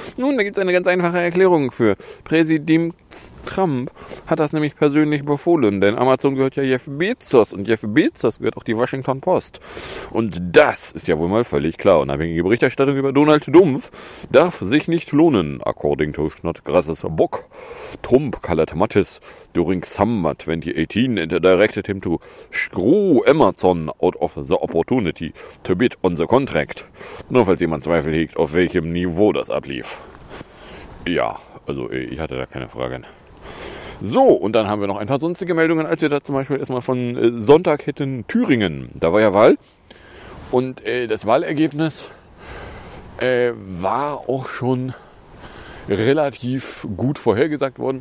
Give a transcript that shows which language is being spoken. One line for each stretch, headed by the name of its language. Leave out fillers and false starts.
German: Nun, da gibt es eine ganz einfache Erklärung für. Präsident Trump hat das nämlich persönlich befohlen, denn Amazon gehört ja Jeff Bezos und Jeff Bezos gehört auch die Washington Post. Und das ist ja wohl mal völlig klar. Unabhängige Berichterstattung über Donald Dumpf darf sich nicht lohnen.
English: According to Snodgrass's book, Trump colored Mattis during summer 2018 and directed him to screw Amazon out of the opportunity to bid on the contract.
German: Nur falls jemand Zweifel hegt, auf welchem Niveau das ablief. Ja, also ich hatte da keine Fragen. So, und dann haben wir noch ein paar sonstige Meldungen, als wir da zum Beispiel erstmal von Sonntag hätten Thüringen. Da war ja Wahl. Und das Wahlergebnis war auch schon relativ gut vorhergesagt worden.